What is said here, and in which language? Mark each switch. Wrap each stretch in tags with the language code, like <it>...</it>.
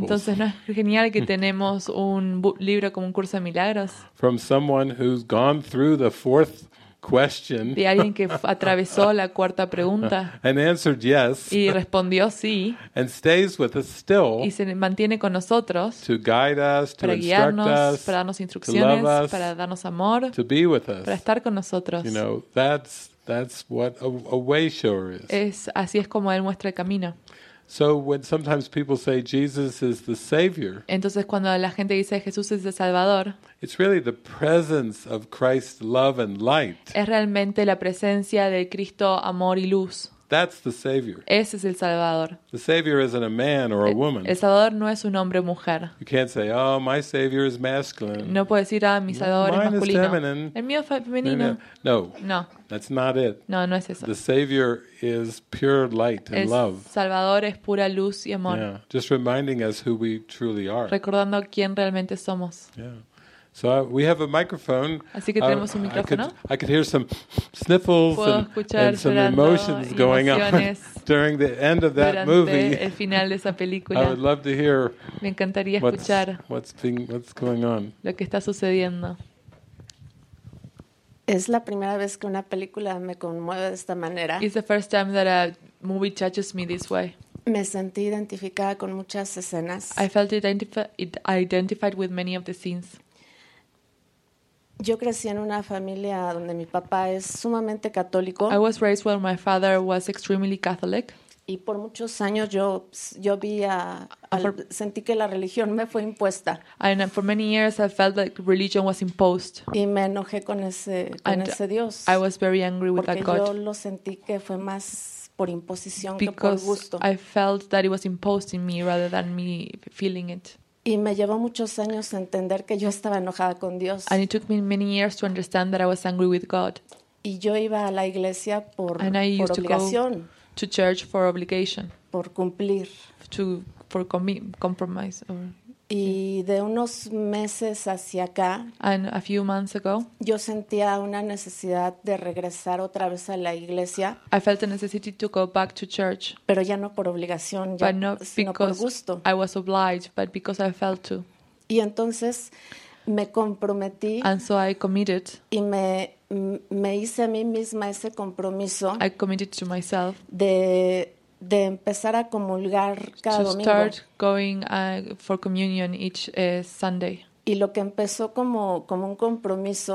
<es>Entonces no es genial que tenemos un libro como Un Curso de Milagros.</es> <en>From someone who's gone through the fourth question.</en> <es>De alguien que atravesó la cuarta pregunta.</es> <en>And answered yes.</en> <es>Y respondió sí.</es> <en>And stays with us still.</en> <es>Y se mantiene con nosotros.</es> <en>To guide us,</en> <es>para guiarnos, para darnos instrucciones,</es> <en>to love us,</en> <es>para darnos amor.</es> <en>To be with us.</en> <es>Para estar con nosotros.</es> <en>You know, that's what a way shower is.</en> <es>Es así es como él muestra el camino.</es> <en>So when sometimes people say Jesus is the savior.</en> <es>Entonces cuando la gente dice Jesús es el salvador.</es> <en>It's really the presence of Christ's love and light.</en> <es>Es realmente la presencia de Cristo amor y luz.</es> <en>That's the savior.</en> <es>Ese es el salvador.</es> <en>The savior isn't a man or a woman.</en> <es>El salvador no es un hombre o mujer.</es> <en>You can't say, "Oh, my savior is masculine."</en> <es>No puedes decir, "Ah, mi salvador</es> <en>mine</en> <es>es masculino."</es> <en>Is feminine.</en> <es>El mío es femenino.</es> <en>No.</en> <es>No.</es> <en>That's not it.</en> <es>No, no es eso.</es> <en>The savior is pure light and love.</en> <es>El salvador es pura luz y amor.</es> <en>Yeah. Just reminding us who we truly are.</en> <es>Recordando quién realmente somos.</es> <en>Yeah. So we have a microphone.</en> <es>Así que tenemos un micrófono.</es> <en>I could hear some sniffles and some emotions going on during the end of that movie.</en> <es>El final de esa película.</es> <en>I would love to hear.</en> <es>Me encantaría escuchar.</es> <en>What's going on?</en> <es>Lo que está sucediendo. Es la primera vez que una película me conmueve de esta manera.</es> <en>It's the first time that a movie touches me this way.</en> <es>Me sentí identificada con muchas escenas.</es> <en>I felt identified with many of the scenes.</en> <es>Yo crecí en una familia donde mi papá es sumamente católico.</es> <en>I was raised where my father was extremely Catholic.</en> <es>Y por muchos años yo vi sentí que la religión me fue impuesta.</es> <en>And for many years I felt like religion was imposed.</en> <es>Y me enojé con ese Dios.</es> <en>I was very angry with that God.</en> <es>Porque yo lo sentí que fue más por imposición que por gusto.</es> <en>Because I felt that it was imposed in me rather than me feeling it.</en> <es>Y me llevó muchos años entender que yo estaba enojada con Dios.</es> <en>And it took me many years to understand that I was angry with God.</en> <es>Y yo iba a la iglesia por obligación.</es> <en>To church for obligation.</en> <es>Por cumplir.</es> <en>For compromise.</en> <es>Y de unos meses hacia acá.</es> <en>And a few months ago.</en> <es>Yo sentía una necesidad de regresar otra vez a la iglesia.</es> <en>I felt a necessity to go back to church.</en> <es>Pero ya no por obligación, ya sino por gusto.</es> <en>I was obliged, but because I felt to.</en> <es>Y entonces me comprometí.</es> <en>And so I committed.</en> <es>Y me hice a mí misma ese compromiso.</es> <en>I committed to myself.</en> <es>De empezar a comulgar cada domingo.</es> <en>To start going for communion each Sunday.</en> <es>Y lo que empezó como un compromiso.</es>